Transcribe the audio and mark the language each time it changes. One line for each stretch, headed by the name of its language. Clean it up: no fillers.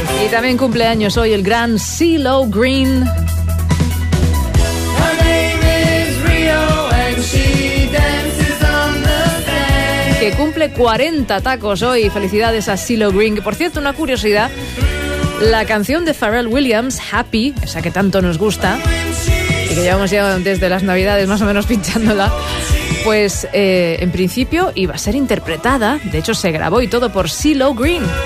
Spanish: También cumpleaños hoy el gran CeeLo Green.
English: Her name is Rio and she dances on the stage.
Spanish: Que cumple 40 tacos hoy. Felicidades a CeeLo Green. Por cierto, una curiosidad. La canción de Pharrell Williams, Happy, esa que tanto nos gusta, y que llevamos ya desde las Navidades más o menos pinchándola, pues en principio iba a ser interpretada, de hecho se grabó y todo, por CeeLo Green.